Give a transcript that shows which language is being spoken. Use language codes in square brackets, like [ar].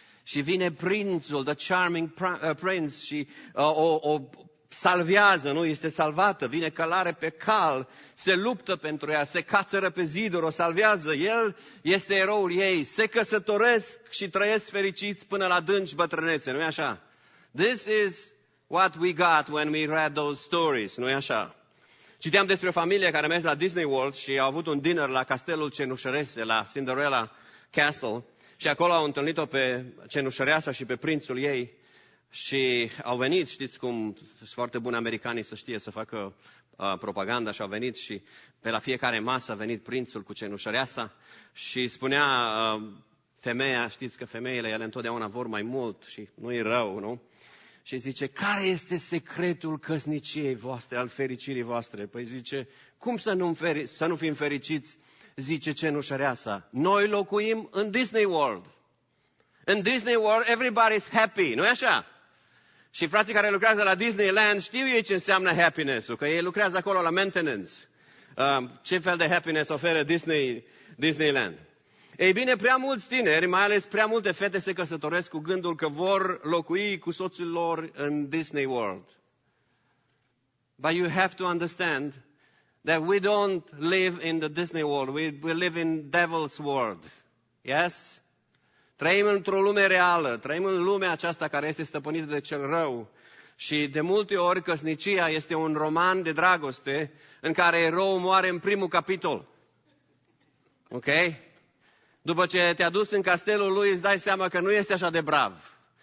[ro] Și vine prințul, [en] the charming prince, [ro] și o salvează, nu? Este salvată, vine călare pe cal, se luptă pentru ea, se cațără pe ziduri, o salvează. El este eroul ei, se căsătoresc și trăiesc fericiți până la adânci bătrânețe, nu-i așa? [en] This is what we got when we read those stories, [ro] nu-i așa? Citeam despre o familie care a mers la Disney World și au avut un dinner la Castelul Cenușărese, la Cinderella Castle. Și acolo au întâlnit-o pe cenușăreasa și pe prințul ei și au venit, știți cum sunt foarte buni americanii să știe să facă propaganda, și au venit și pe la fiecare masă a venit prințul cu cenușăreasa și spunea femeia, știți că femeile, ele întotdeauna vor mai mult și nu-i rău, nu? Și zice, care este secretul căsniciei voastre, al fericirii voastre? Păi zice, cum să nu fim fericiți? Zice cenușăreasa, noi locuim în Disney World. În Disney World, [en] everybody's happy, [ro] nu-i așa? Și frații care lucrează la Disneyland știu ei ce înseamnă happiness-ul, că ei lucrează acolo la maintenance. Ce fel de happiness oferă Disneyland? Ei bine, prea mulți tineri, mai ales prea multe fete, se căsătoresc cu gândul că vor locui cu soțul lor în Disney World. [en] But you have to understand that we don't live in the Disney World, we live in devil's world. Yes? [ro] Trăim într-o lume reală, trăim în lumea aceasta care este stăpânită de cel rău. Și de multe ori căsnicia este un roman de dragoste în care eroul moare în primul capitol. Ok? După ce te-a dus în castelul lui, îți dai seama că nu este așa de brav.